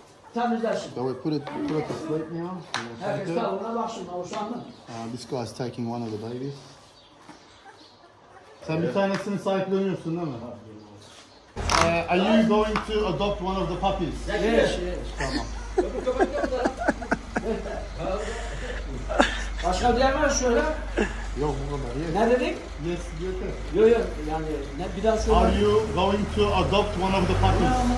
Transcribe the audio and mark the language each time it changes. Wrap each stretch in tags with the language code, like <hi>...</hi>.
<en>This guy is taking one of the babies.</en> <tr>Sen bir tanesini sahipleniyorsun değil mi?</tr> <en>Are you going to adopt one of the puppies? Yes.</en> <tr>Tamam. Başka bir yer var şöyle. Yok bu kadar. Ne dedik?</tr> <en>Yes,</en> <tr>yok yok. Yani ne bir daha söyle.</tr> <en>Are you going to adopt one of the puppies?</en>